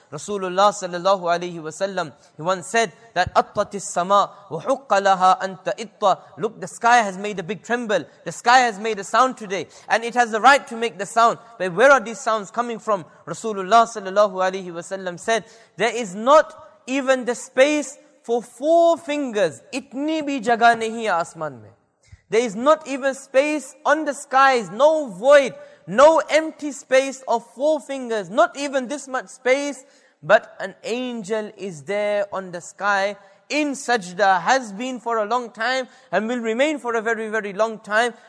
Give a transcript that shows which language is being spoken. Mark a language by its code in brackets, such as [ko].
[en] Rasulullah sallallahu alayhi wa sallam, he once said that [ar] أَطَّتِ السَّمَاءِ وَحُقَّ لَهَا أَنْتَ إِطَّى [en] Look, the sky has made a big tremble. The sky has made a sound today. And it has the right to make the sound. But where are these sounds coming from? Rasulullah sallallahu alayhi wa sallam said, there is not even the space for 4 fingers. [ur] اتنی بھی جگہ نہیں ہے آسمان میں. [en] There is not even space on the skies, no void, no empty space of 4 fingers, not even this much space, but an angel is there on the sky in sajda, has been for a long time and will remain for a very, very long time.